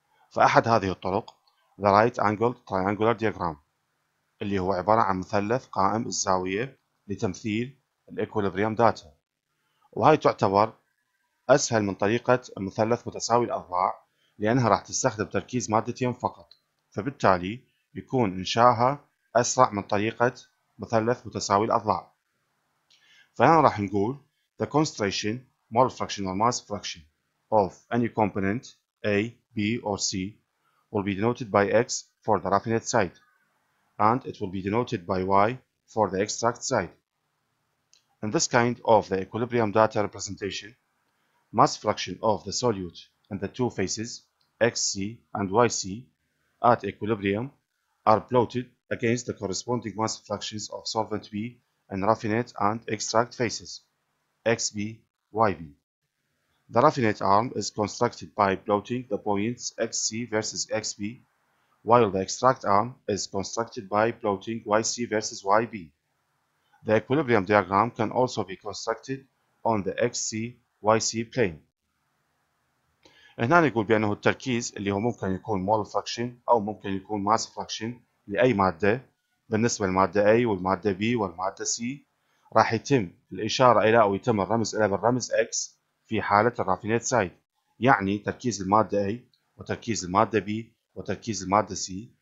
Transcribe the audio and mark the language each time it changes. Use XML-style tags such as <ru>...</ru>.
<ar>فأحد هذه الطرق ذا رايت انجل تريانجولار دياجرام، اللي هو عبارة عن مثلث قائم الزاوية لتمثيل الإكوليبريم داتا، وهي تعتبر أسهل من طريقة المثلث متساوي الأضلاع لأنها راح تستخدم تركيز مادتين فقط، فبالتالي يكون إنشاؤها أسرع من طريقة مثلث متساوي الأضلاع. فهنا راح نقول</ar> <en>the concentration mole fraction or mass fraction of any component A, B or C will be denoted by X for the raffinate site and it will be denoted by Y for the extract site. In this kind of the equilibrium data representation, mass fraction of the solute in the two faces XC and YC at equilibrium are plotted against the corresponding mass fractions of solvent B in raffinate and extract faces, XB, YB. The raffinate arm is constructed by plotting the points XC versus XB, while the extract arm is constructed by plotting YC versus YB. The equilibrium diagram can also be constructed on the XC, YC plane.</en> <ar>هنا نقول بأنه التركيز اللي هو ممكن يكون مول فراكشن أو ممكن يكون ماس فراكشن لأي مادة بالنسبة للمادة A والمادة B والمادة C راح يتم الإشارة إلى أو يتم الرمز إلى بالرمز X في حالة الرافينيت سايد، يعني تركيز المادة A وتركيز المادة B وتركيز المادة C.</ar>